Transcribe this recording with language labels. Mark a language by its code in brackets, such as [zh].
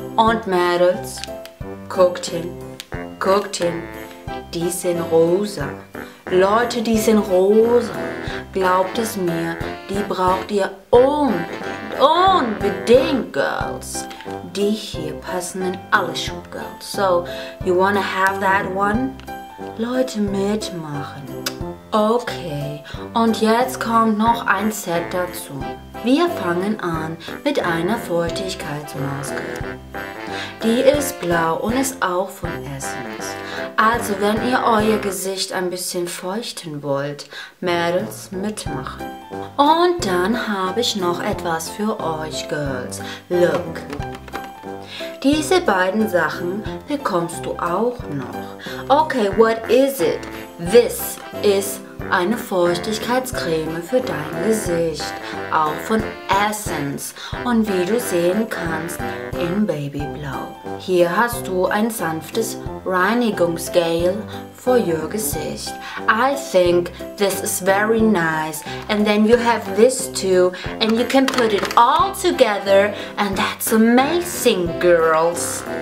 [de] Und Mädels, guckt hin, die sind rosa. Leute, die sind rosa. Glaubt es mir, die braucht ihr unbedingt, unbedingt, Girls. Die hier passen in alle Schubgirls. [en] So, you wanna have that one? [de] Leute, mitmachen. Okay, und jetzt kommt noch ein Set dazu. Wir fangen an mit einer Feuchtigkeitsmaske. Die ist blau und ist auch von Essence. Also, wenn ihr euer Gesicht ein bisschen feuchten wollt, Mädels, mitmachen. Und dann habe ich noch etwas für euch, Girls. Look. Diese beiden Sachen bekommst du auch noch. [en] Okay, what is it? This is [de] eine Feuchtigkeitscreme für dein Gesicht. Auch von Essence. Und wie du sehen kannst, in Babyblau. Hier hast du ein sanftes Reinigungsgel [en] for your [de] Gesicht. [en] I think this is very nice. And then you have this too. And you can put it all together. And that's amazing, girls.